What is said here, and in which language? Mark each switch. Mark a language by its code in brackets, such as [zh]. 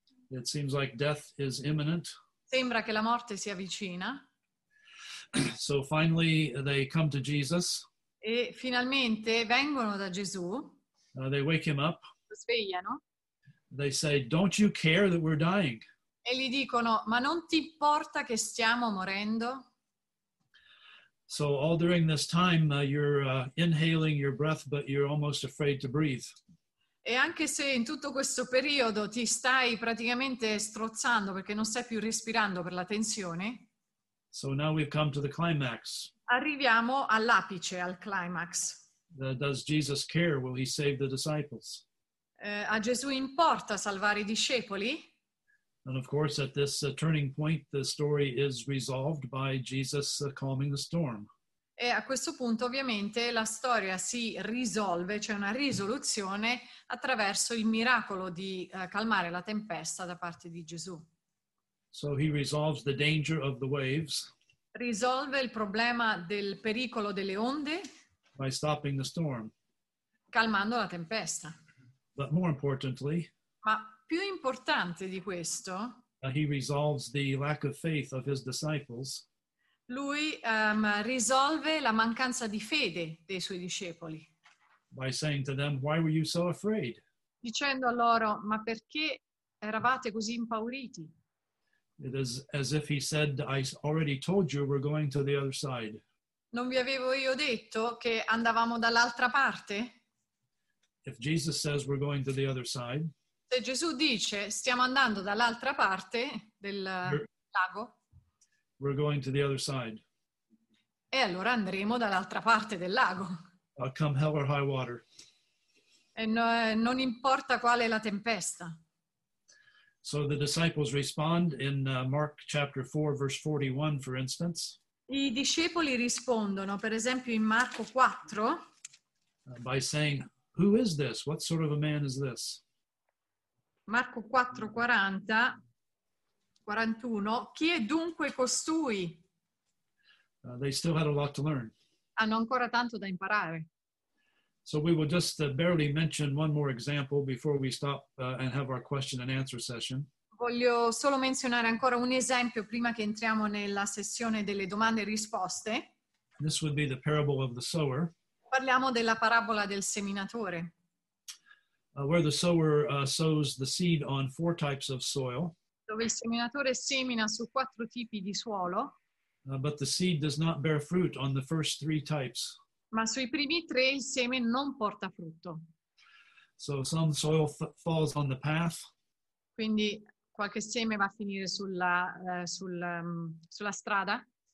[en] It seems like death is imminent. [it] Sembra che la morte sia vicina. [en] So finally they come to Jesus. [it] E finalmente vengono da Gesù. [en] They wake him up. [it] Lo svegliano. [en] They say, "Don't you care that we're dying?" [it] E gli dicono, "Ma non ti importa che stiamo morendo?" [en] So all during this time you're inhaling your breath but you're almost afraid to breathe. [it] E anche se in tutto questo periodo ti stai praticamente strozzando perché non stai più respirando per la tensione. [en] So now we've come to the climax. [it] Arriviamo all'apice, al climax. [en] Does Jesus care? Will he save the disciples? [it] A Gesù importa salvare i discepoli? [en] And of course, at this turning point, the story is resolved by Jesus calming the storm. [it] E a questo punto, ovviamente, la storia si risolve, c'è una risoluzione attraverso il miracolo di calmare la tempesta da parte di Gesù. [en] So he resolves the danger of the waves. [it] Risolve il problema del pericolo delle onde. [en] By stopping the storm. [it] Calmando la tempesta. [en] But more importantly. [it] Ma più importante di questo. [en] He resolves the lack of faith of his disciples. [it] Lui risolve la mancanza di fede dei suoi discepoli. [en] By saying to them, why were you so afraid? [it] Dicendo a loro, ma perché eravate così impauriti? [en] It is as if he said, I already told you we're going to the other side. [it] Non vi avevo io detto che andavamo dall'altra parte? [en] If Jesus says we're going to the other side, [it] se Gesù dice stiamo andando dall'altra parte del lago, [en] we're going to the other side. [it] E allora andremo dall'altra parte del lago. [en] Come hell or high water. [it] E no, non importa quale la tempesta. [en] So the disciples respond in Mark chapter 4 verse 41 for instance. [it] I discepoli rispondono, per esempio in Marco 4, [en] by saying, who is this? What sort of a man is this? [it] Marco 4, 40, 41, chi è dunque costui? [en] They still had a lot to learn. [it] Hanno ancora tanto da imparare. [en] So we will just barely mention one more example before we stop and have our question and answer session. [it] Voglio solo menzionare ancora un esempio prima che entriamo nella sessione delle domande e risposte. [en] This would be the parable of the sower. [it] Parliamo della parabola del seminatore. [en] Where the sower sows the seed on four types of soil. [it] Dove il seminatore semina su quattro tipi di suolo. [en] But the seed does not bear fruit on the first three types. [it] Ma sui primi tre il seme non porta frutto. [en] So some soil falls on the path. [it] Quindi qualche seme va a finire sulla sulla strada.